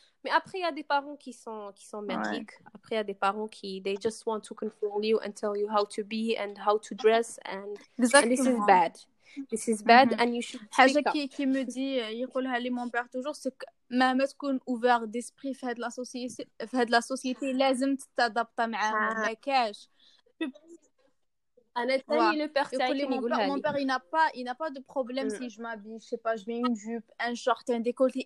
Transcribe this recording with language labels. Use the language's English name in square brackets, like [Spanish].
[French] Mais après, il y a des parents qui sont merdiques. Ouais. Après, il y a des parents qui, [English] they just want to control you and tell you how to be and how to dress. And this is bad. This is bad, mm-hmm. And you should speak up. [French] Qui me dit, il y a mon père toujours, c'est que même est-ce qu'on ouvert d'esprit fait de la société, il faut que tu t'adaptes avec elle. Je peux pas. Mon père, il n'a pas de problème si je m'habille, je sais pas, je mets une jupe, un short, un décolleté.